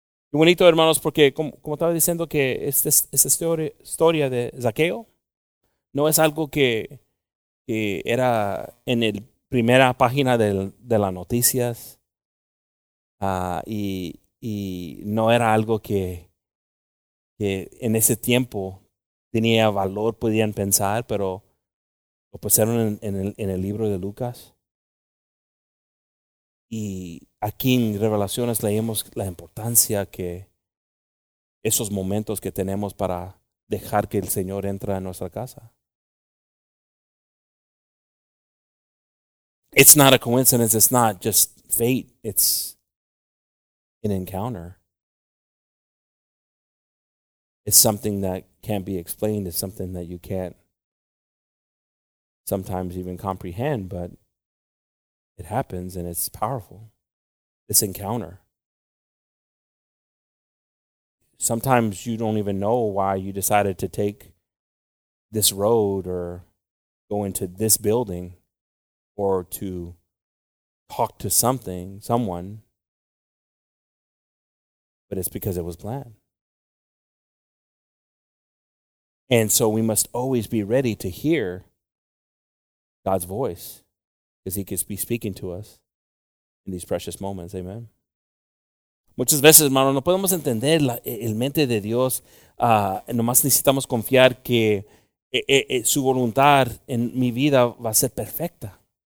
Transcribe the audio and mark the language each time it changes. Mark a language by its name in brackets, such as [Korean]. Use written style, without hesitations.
[Spanish] Qué bonito, hermanos, porque como estaba diciendo que esta historia de Zaqueo no es algo que era en la primera página de las noticias y no era algo que en ese tiempo tenía valor, podían pensar, pero lo pusieron en el libro de Lucas. Y aquí en Revelaciones leemos la importancia que esos momentos que tenemos para dejar que el Señor entre en nuestra casa. [English] It's not a coincidence, it's not just fate, it's an encounter. It's something that can't be explained, it's something that you can't sometimes even comprehend, but it happens and it's powerful. This encounter. Sometimes you don't even know why you decided to take this road or go into this building or to talk to something, someone. But it's because it was planned. And so we must always be ready to hear God's voice, because he could be speaking to us in these precious moments. Amen. [Spanish] Muchas veces, hermano, no podemos entender el mente de Dios. Nomás necesitamos confiar que su voluntad en mi vida va a ser perfecta.